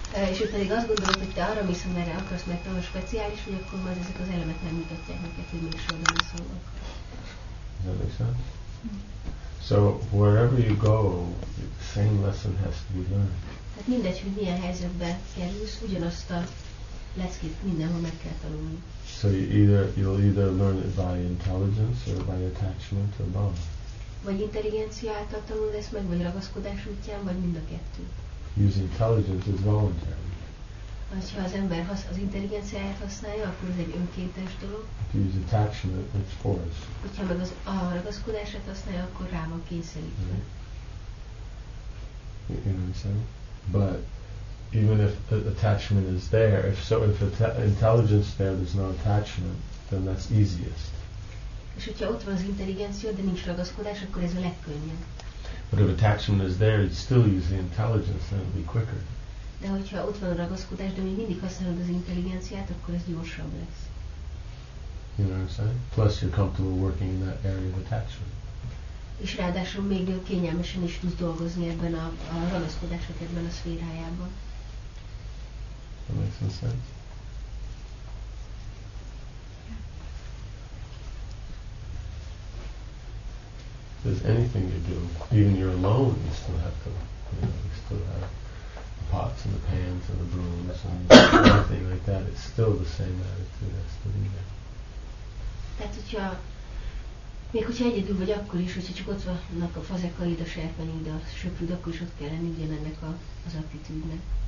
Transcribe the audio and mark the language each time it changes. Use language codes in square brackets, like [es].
[hu] és pedig azt gondolod, hogy te arra mész, amerre akarsz, mert te a speciális vagy, akkor majd ezek az elemek nem mutatják neked, hogy még soha nem szólok. [en] Does that make sense? So wherever you go, the same lesson has to be learned. [hu] Tehát mindegy, hogy milyen helyzetbe kerülsz, ugyanazt a leckét mindenhol meg kell tanulni. [en] So you'll either learn it by intelligence or by attachment or both. [hu] Vagy intelligencia által tanulod ezt meg, vagy ragaszkodás útján, vagy mind a kettő. [en] use intelligence is voluntary. [hu] Ha az ember az intelligenciáját használja, akkor ez egy önkéntes dolog. [en] If you use attachment, it's force. [hu] Hogyha meg az a ragaszkodását használja, akkor rá van kényszerítve. [en] Right. You know what I'm saying? But even if attachment is there, if intelligence there, there's no attachment, then that's easiest. [hu] És hogyha ott van az intelligencia, de nincs ragaszkodás, akkor ez a legkönnyebb. [en] But if attachment is there, you still use the intelligence, then it'll be quicker. [hu] De hogyha ott van a ragaszkodás, de még mindig használod az intelligenciát, akkor ez gyorsabb lesz. [en] You know what I'm saying? Plus you're comfortable working in that area of attachment. [hu] És ráadásul még kényelmesen is tudsz dolgozni ebben a ragaszkodások ebben a szférájában. [en] That makes some sense. There's anything you do, even you're alone, you still have to, you know, you still have the pots and the pans and the brooms and everything like that. It's still the same attitude that's to be there. [hu] Tehát, hogyha, még hogyha egyedül vagy, akkor is, hogyha csak ott vannak a fazekaid, a serpenid, a söprüd, akkor is ott kell lenni ugyanennek az attitűdnek.